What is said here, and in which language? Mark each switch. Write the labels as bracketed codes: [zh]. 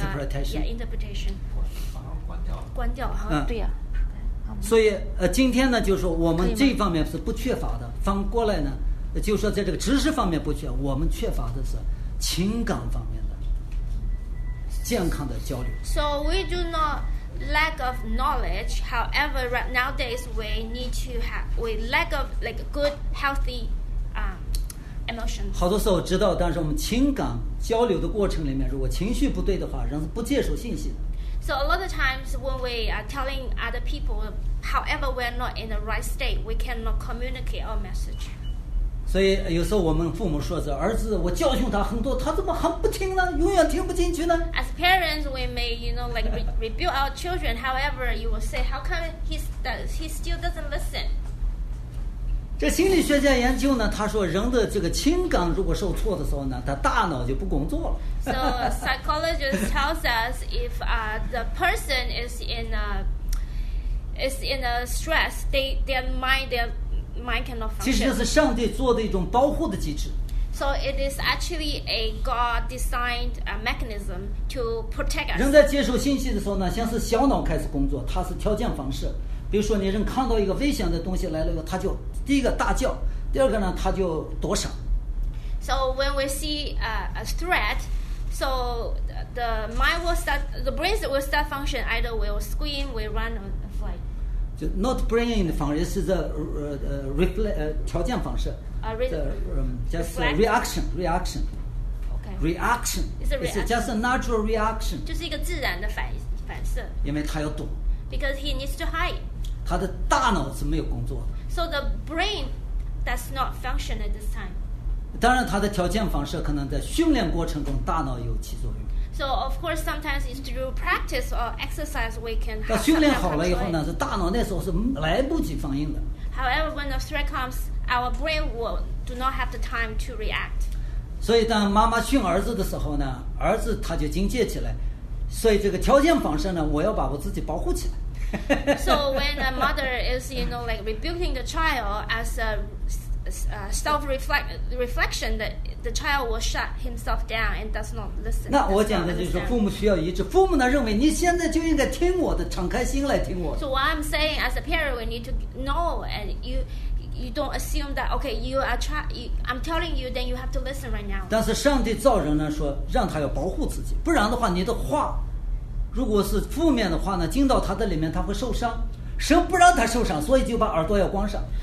[en] interpretation. [zh] 关掉哈，对呀。所以今天呢，就是说我们这方面是不缺乏的。反过来呢，就是说在这个知识方面不缺，我们缺乏的是。情感方面的健康的焦虑。 [en] So we do not lack of knowledge. However, right nowadays we need to have we lack of like good healthy emotions. [zh] 好多时候知道，但是我们情感交流的过程里面，如果情绪不对的话，人是不接受信息的。 [en] So a lot of times when we are telling other people, however we are not in the right state, we cannot communicate our message. [zh] 所以有时候我们父母说着，儿子，我教训他很多，他怎么还不听呢？永远听不进去呢？ [en] As parents, we may you know like rebuke our children. However, you will say, how come he still doesn't listen? [zh] 这心理学家研究呢，他说人的这个情感如果受挫的时候呢，他大脑就不工作了。 [en] So psychologist tells us if the person is in a stress, their mind cannot function. [zh] 其实这是上帝做的一种保护的机制。 [en] So it is actually a God-designed mechanism to protect us. [zh] 人在接受信息的时候呢，先是小脑开始工作，它是条件反射。比如说你人看到一个危险的东西来了，他就第一个大叫，第二个呢他就躲闪。 [en] So when we see a threat, so the mind will start, the brain will start function. Either we will scream, we run, or fly. [zh] 就 [en] not brain in [zh] 反射是 条件反射。 [en] reaction. Okay. Reaction. It's just a natural reaction. [zh] 就是一个自然的反射。因为他要躲。 [en] Because he needs to hide. [zh] 他的大脑是没有工作的。 [en] So the brain does not function at this time. [zh] 当然，他的条件反射可能在训练过程中大脑有起作用。 [en] So of course, sometimes it's through practice or exercise we can. [zh] 那训练好了以后呢，是大脑那时候是来不及反应的。 [en] However, when a threat comes, our brain will do not have the time to react. [zh] 所以当妈妈训儿子的时候呢，儿子他就警戒起来。所以这个条件反射呢，我要把我自己保护起来。 [en] So when a mother is, you know, like rebuking the child as a self-reflection, that the child will shut himself down and does not listen. [zh] 那我讲的就是父母需要一致。父母呢认为你现在就应该听我的，敞开心来听我。 [en] So what I'm saying as a parent, we need to know, and you don't assume that okay, you are I'm telling you, then you have to listen right now. [zh] 但是上帝造人呢，说让他要保护自己，不然的话，你的话。如果是负面的话呢，进到他的里面，他会受伤。神不让他受伤，所以就把耳朵要关上。